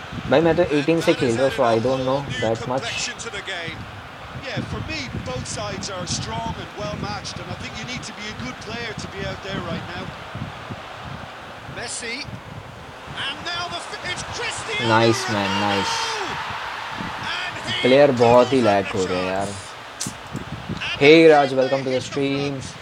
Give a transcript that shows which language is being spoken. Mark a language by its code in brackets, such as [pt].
[hi] भाई मैं तो 18 से खेल रहा हूँ, [en] so I don't know that much. Yeah, for me, both sides are strong and well matched, and I think you need to be a good player to be out there right now. Messi, and now the it's Cristiano. Nice man, nice. [hi] Player बहुत ही lag हो रहे हैं यार. [en] Hey Raj, welcome to the stream.